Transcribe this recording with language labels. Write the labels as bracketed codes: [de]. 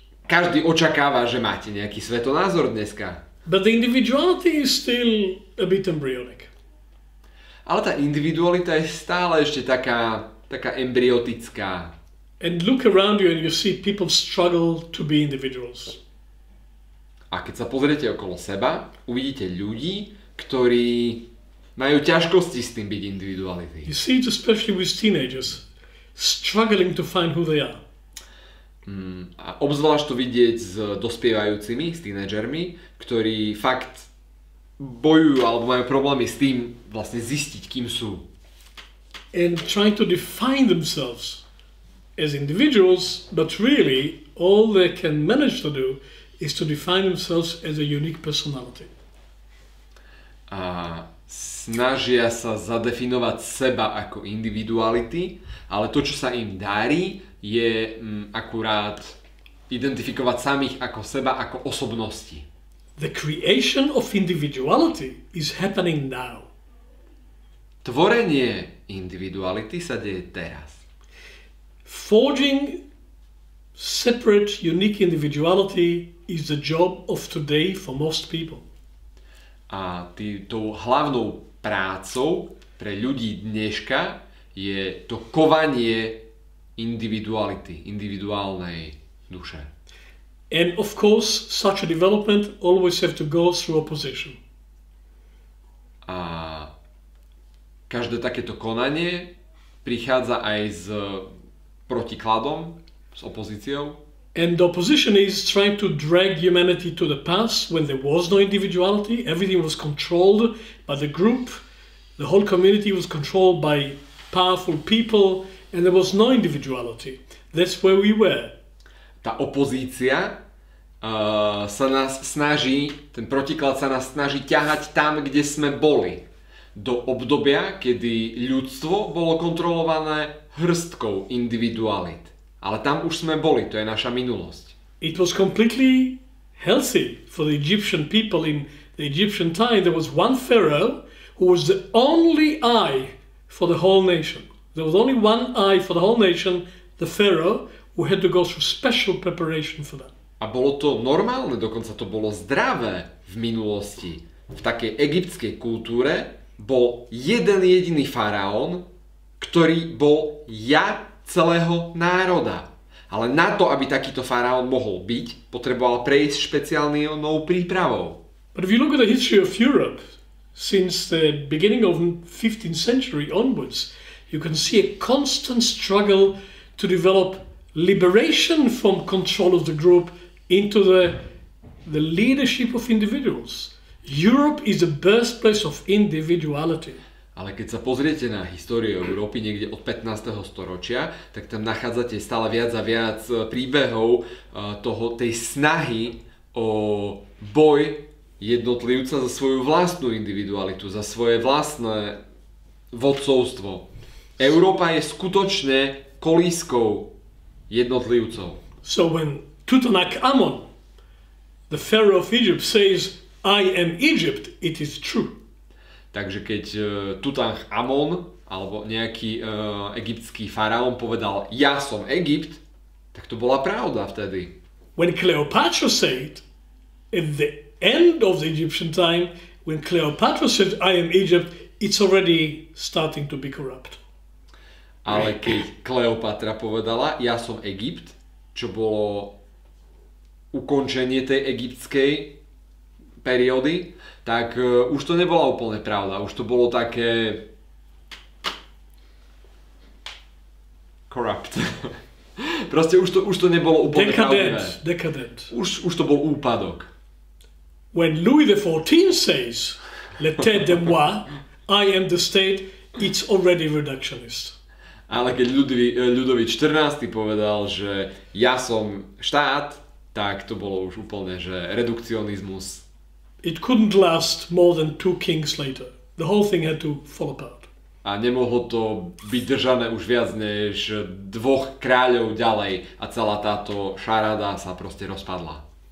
[sk] Každý očakáva, že máte nejaký svetonázor dneska. [en] But the individuality is still a bit embryonic. [sk] Ale tá individualita je stále ešte taká embryotická. [en] And look around you and you see people struggle to be individuals. [sk] A keď sa pozriete okolo seba, uvidíte ľudí, ktorí majú ťažkosti s tým byť individuality. [en] You see it especially with teenagers struggling to find who they are. [sk] A obzvlášť to vidieť s dospievajúcimi, s teenagermi, ktorí fakt bojujú alebo majú problémy s tým vlastne zistiť, kým sú. [en] And trying to define themselves as individuals, but really all they can manage to do is to define themselves as a unique personality. [sk] A snažia sa zadefinovať seba ako individuality, ale to, čo sa im darí, je akurát identifikovať samých ako seba, ako osobnosti. [en] The creation of individuality is happening now. [sk] Tvorenie individuality sa deje teraz. [en] Forging separate, unique individuality is the job of today for most people. [sk] A tou hlavnou prácou pre ľudí dneška je to kovanie individuality, individuálnej duše. [en] And of course, such a development always have to go through opposition. [sk] A každé takéto konanie prichádza aj s protikladom, s opozíciou. [en] And the opposition is trying to drag humanity to the past when there was no individuality, everything was controlled by the group, the whole community was controlled by powerful people, and there was no individuality. That's where we were. [sk] Tá opozícia sa nás snaží, ten protiklad sa nás snaží ťahať tam, kde sme boli. Do obdobia, kedy ľudstvo bolo kontrolované hrstkou individualit. Ale tam už sme boli, to je naša minulosť. [en] It was completely healthy for the Egyptian people in the Egyptian time. There was one pharaoh who was the only eye for the whole nation. There was only one eye for the whole nation, the pharaoh, who had to go through special preparation for that. [sk] A bolo to normálne, dokonca to bolo zdravé v minulosti. V takej egyptskej kultúre bol jeden jediný faraón, ktorý bol ja celého národa. Ale na to, aby takýto faraón mohol byť, potreboval prejsť špeciálnou prípravou. [en] But if you look at the history of Europe, since the beginning of 15th century onwards, you can see a constant struggle to develop liberation from control of the group into the leadership of individuals. Europe is the birthplace of individuality. [sk] Ale keď sa pozriete na históriu Európy niekde od 15. storočia, tak tam nachádzate stále viac a viac príbehov tej snahy o boj jednotlivca za svoju vlastnú individualitu, za svoje vlastné vodcovstvo. Európa je skutočne kolískou jednotlivcov. [en] So when Tutankhamun, the pharaoh of Egypt, says, I am Egypt, it is true. [sk] Takže keď Tutankhamon, alebo nejaký egyptský faraón povedal, ja som Egypt, tak to bola pravda vtedy. [en] When Cleopatra said, at the end of the Egyptian time, when Cleopatra said, I am Egypt, it's already starting to be corrupt. [sk] Ale keď Kleopatra povedala, ja som Egypt, čo bolo ukončenie tej egyptskej periódy, tak už to nebola úplne pravda. Už to bolo také corrupt. Proste už to nebolo úplne [en] decadent, [sk] pravdivé. [en] Decadent. [sk] Už to bol úpadok. [en] When Louis XIV says, [fr] l'état de moi, [en] I am the state, it's already reductionist. [sk] Ale keď Ľudovít 14. povedal, že ja som štát, tak to bolo už úplne, že redukcionizmus. [en] It couldn't last more than two kings later. The whole thing had to fall apart. [sk] A nemohlo to byť držané už viac než dvoch kráľov ďalej a celá táto šarada sa proste rozpadla.